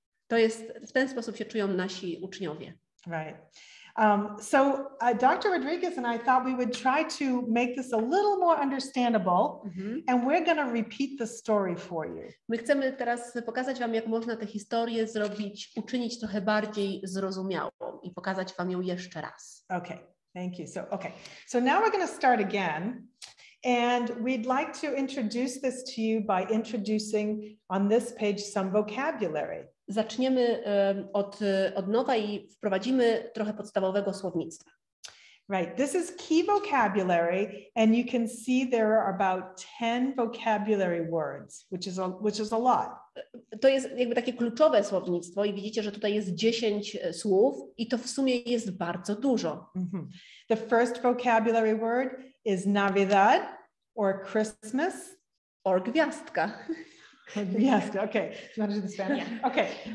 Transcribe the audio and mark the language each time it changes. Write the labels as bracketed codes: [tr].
[pl] To jest w ten sposób się czują nasi uczniowie. [en] Right. So Dr. Rodriguez and I thought we would try to make this a little more understandable, mm-hmm. and we're going to repeat the story for you. [pl] My chcemy teraz pokazać wam, jak można tę historię zrobić, uczynić trochę bardziej zrozumiałą i pokazać wam ją jeszcze raz. [en] Okay, thank you. So now we're going to start again, and we'd like to introduce this to you by introducing on this page some vocabulary. [pl] Zaczniemy od nowa i wprowadzimy trochę podstawowego słownictwa. [en] Right, this is key vocabulary, and you can see there are about 10 vocabulary words, which is a lot. [pl] To jest jakby takie kluczowe słownictwo i widzicie, że tutaj jest 10 słów i to w sumie jest bardzo dużo. [en] Mm-hmm. The first vocabulary word is Navidad or Christmas. Or gwiazdka. Yes, okay. Do you want to do the Spanish? Yeah. Okay.